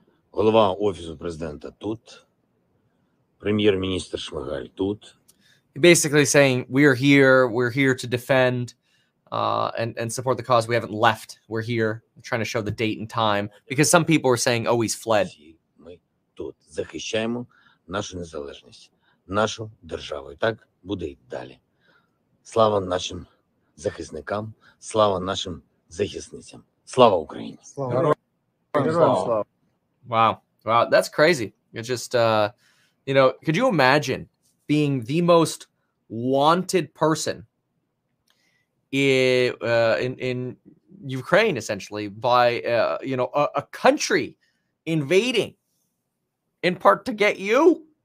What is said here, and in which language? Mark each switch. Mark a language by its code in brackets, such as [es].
[uk] Голова Офісу Президента тут. Прем'єр-міністр Шмигаль тут. [en] Basically saying, we're here. We're here to defend and support the cause. We haven't left. We're here. I'm trying to show the date and time. Because some people are saying, oh, he's fled. [uk] Ми тут захищаємо нашу незалежність. Нашу державу. І так буде і далі. Слава нашим захисникам. Слава нашим захисницям. Слава Україні. Слава. [en] Wow. That's crazy. It's just, you know, could you imagine being the most wanted person in Ukraine, essentially, by, you know, a country invading in part to get you?